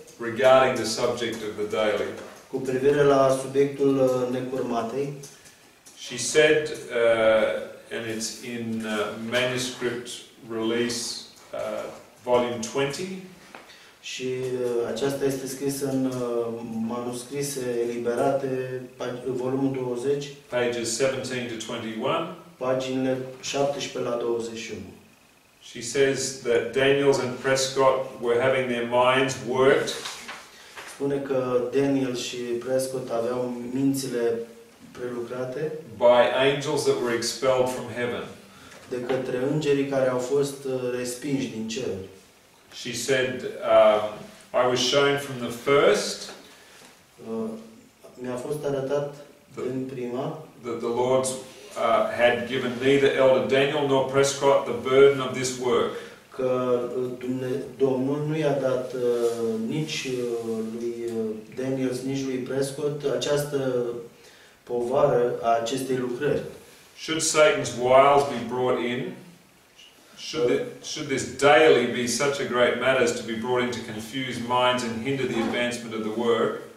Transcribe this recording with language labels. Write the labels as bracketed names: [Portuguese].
[English] Regarding the subject of the daily. [Romanian] Cu privire la subiectul necurmatei. [English] She said, and it's in manuscript release, volume 20. [Romanian] Și aceasta este scris în manuscrise eliberate, volumul 20. [English] Pages 17 to 21. [Romanian] Paginile 17 la 21. [English] She says that Daniels and Prescott were having their minds worked. [Romanian] Spune că Daniel și Prescott aveau mințile prelucrate [English] by angels that were expelled from heaven. [Romanian] De către îngerii care au fost respinși din cer. [English] She said, I was shown from the first [Romanian] mi-a fost arătat din prima [English] that the Lord had given neither elder Daniel nor Prescott the burden of this work. [Romanian] Că Domnul nu i-a dat nici lui Daniels, nici lui Prescott această povară a acestei lucrări. [English] Should Satan's wiles be brought in? Should this daily be such a great matter as to be brought in to confuse minds and hinder the advancement of the work?